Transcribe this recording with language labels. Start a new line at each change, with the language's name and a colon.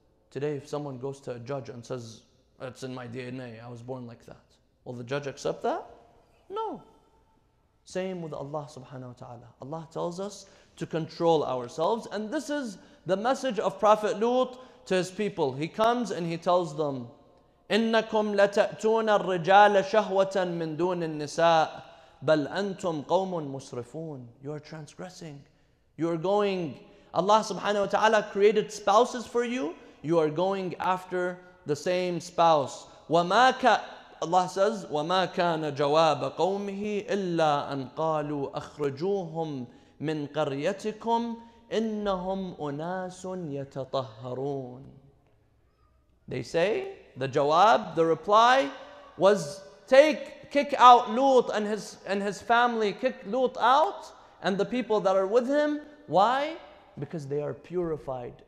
English: Today, if someone goes to a judge and says, it's in my DNA, I was born like that, will the judge accept that? No. Same with Allah subhanahu wa ta'ala. Allah tells us to control ourselves. And this is the message of Prophet Lut to his people. He comes and he tells them,
Arabic: إِنَّكُمْ لَتَأْتُونَ الرِّجَالَ شَهْوَةً مِنْ دُونِ النِّسَاءِ بَلْ أَنْتُمْ قَوْمٌ مُسْرِفُونَ.
English: You are transgressing. You are going. Allah subhanahu wa ta'ala created spouses for you. You are going after the same spouse.
Arabic: وَمَا
English: Allah says,
Arabic: وَمَا كَانَ جَوَابَ قَوْمِهِ إِلَّا أَنْ قَالُوا أَخْرَجُوهُمْ مِنْ قَرْيَتِكُمْ إِنَّهُمْ أُنَاسٌ يَتَطَهَّرُونَ.
English: They say, the jawab, the reply was, kick out Lut and his family, kick Lut out and the people that are with him. Why? Because they are purified.